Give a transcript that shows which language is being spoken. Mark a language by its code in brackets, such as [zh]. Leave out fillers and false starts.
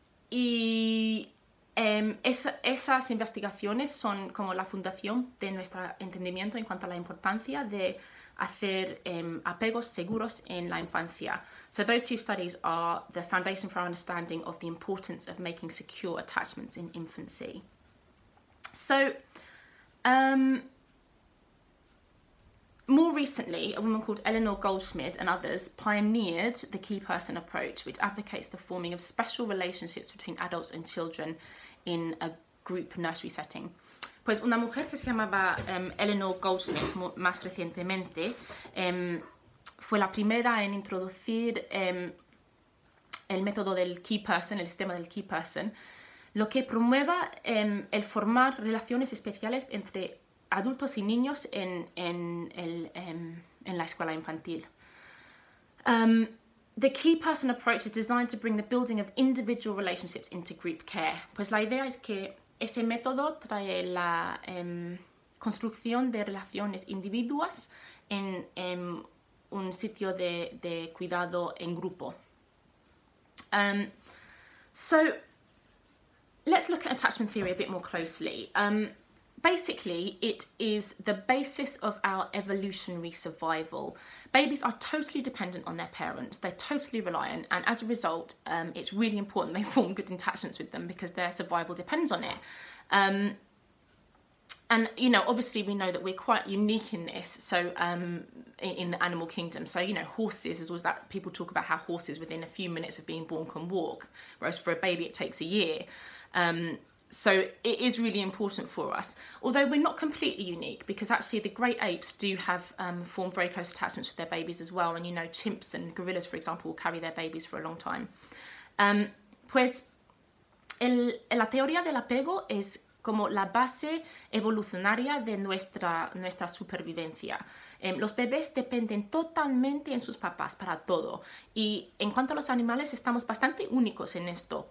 [es] Esas investigaciones son como la fundación de nuestro entendimiento en cuanto a la importancia de hacer apegos seguros en la infancia. [en] So those two studies are the foundation for our understanding of the importance of making secure attachments in infancy. So, more recently, a woman called Eleanor Goldschmidt and others pioneered the key person approach, which advocates the forming of special relationships between adults and children in a group nursery setting. Pues una mujer que se llamaba Eleanor Goldschmidt más recientemente fue la primera en introducir el método del key person, el sistema del key person, lo que promueva el formar relaciones especiales entre adultos y niños en la escuela infantil. The key person approach is designed to bring the building of individual relationships into group care. Pues la idea es que ese método trae la construcción de relaciones individuas en un sitio de cuidado en grupo. So, let's look at attachment theory a bit more closely. Basically, it is the basis of our evolutionary survival. Babies are totally dependent on their parents. They're totally reliant. And as a result, it's really important they form good attachments with them because their survival depends on it. And, you know, obviously we know that we're quite unique in this. So in the animal kingdom. So, you know, horses is always that people talk about how horses within a few minutes of being born can walk. Whereas for a baby, it takes a year. So it is really important for us, although we're not completely unique, because actually the great apes do have formed very close attachments with their babies as well. And, you know, chimps and gorillas, for example, will carry their babies for a long time. [es] Pues la teoría del apego es como la base evolucionaria de nuestra supervivencia. Los bebés dependen totalmente en sus papás para todo. Y en cuanto a los animales, estamos bastante únicos en esto.